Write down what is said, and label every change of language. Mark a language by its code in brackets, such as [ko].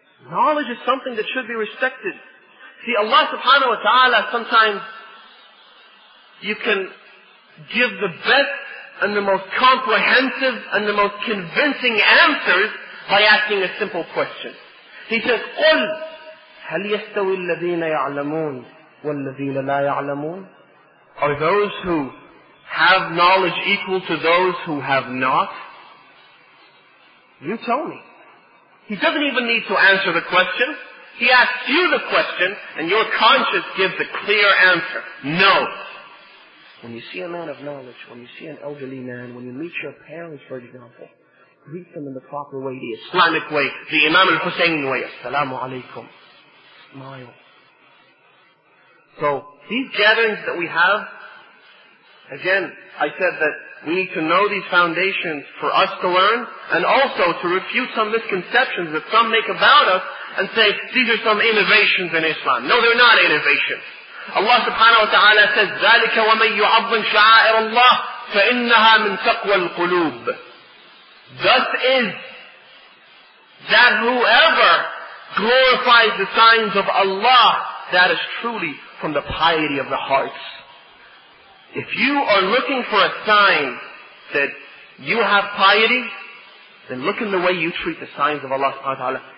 [en] Knowledge is something that should be respected. See, Allah subhanahu wa ta'ala, sometimes you can give the best and the most comprehensive and the most convincing answers by asking a simple question. He says, [ar] قُلْ هَلْ يَسْتَوِي الَّذِينَ يَعْلَمُونَ وَالَّذِينَ لَا يَعْلَمُونَ. [en] Are those who have knowledge equal to those who have not? You tell me. He doesn't even need to answer the question. He asks you the question, and your conscience gives a clear answer. No. When you see a man of knowledge, when you see an elderly man, when you meet your parents, for example, greet them in the proper way, the Islamic way, the Imam al-Husayn way, assalamu alaykum. Smile. So, these gatherings that we have, again, I said that we need to know these foundations for us to learn, and also to refute some misconceptions that some make about us, and say, these are some innovations in Islam. No, they're not innovations. [ar] Allah subhanahu wa ta'ala [en] says, [ar] ذَلِكَ وَمَنْ يُعَظِّمْ شَعَائِرَ اللَّهِ فَإِنَّهَا مِنْ تَقْوَى الْقُلُوبِ. [en] Thus is that whoever glorifies the signs of Allah, that is truly from the piety of the hearts. If you are looking for a sign that you have piety, then look in the way you treat the signs of Allah subhanahu wa ta'ala.